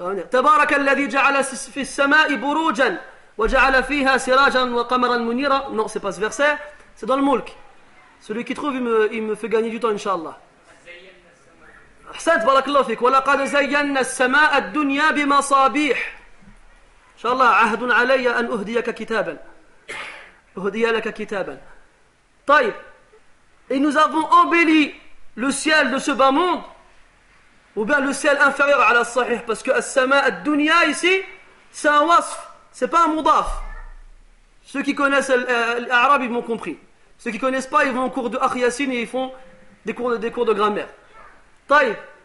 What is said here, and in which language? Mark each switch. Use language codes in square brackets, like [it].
[ar] تبارك الذي جعل في السماء بروجا وجعل فيها سراجا وقمرا منيرا. [fr] Non, c'est pas ce verset, c'est dans le mulk. Celui qui trouve, il me fait gagner du temps, inshallah. [ar] أحسنت بارك الله فيك. ولقد زينا السماء الدنيا بمصابيح. إن شاء الله عهد علي أن أهديك كتابا. أهدي لك كتابا. طيب. [fr] Et nous avons embelli le ciel de ce bas monde. Ou bien le ciel inférieur à la sahih, parce que as-sama ad-dunya ici, c'est un wasf, c'est pas un mudaf. Ceux qui connaissent l'arabe, ils m'ont compris. Ceux qui connaissent pas, ils vont au cours de Akhyasin et ils font des cours de grammaire. Taïb.